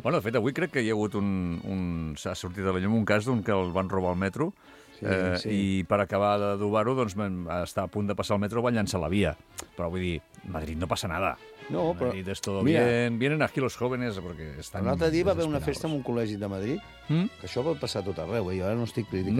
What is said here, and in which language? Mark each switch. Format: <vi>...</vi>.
<ca>Bueno, de fet, avui crec que hi ha hagut un... S'ha sortit a la llum un cas d'un que el van robar al metro, i per acabar d'adobar-ho, doncs, està a punt de passar el metro, van llançar la via. Però vull dir, Madrid no passa nada. No, però...</ca> <es>Madrid es todo bien, vienen aquí los jóvenes, porque están...</es> <ca>L'altre dia va haver una festa en un col·legi de Madrid, que això pot passar a tot arreu, jo ara no estic criticant.</ca>